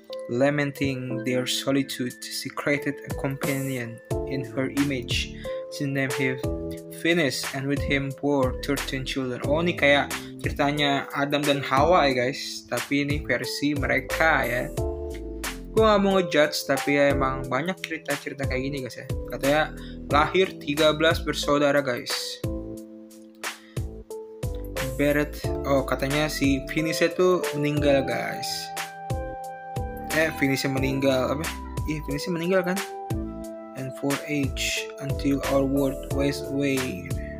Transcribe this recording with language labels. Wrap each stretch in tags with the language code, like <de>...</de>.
<en>Lamenting their solitude, she created a companion in her image. She named him Phineas, and with him bore 13 children.</en> <id>Oh, ini kayak ceritanya Adam dan Hawa ya guys, tapi ini versi mereka ya. Gue gak mau ngejudge, tapi ya emang banyak cerita-cerita kayak gini guys ya. Katanya lahir 13 bersaudara guys. Barrett, oh katanya si Phineas-nya tuh meninggal guys. Phineas-nya meninggal kan?</id> <en>And for age until our world was away.</en>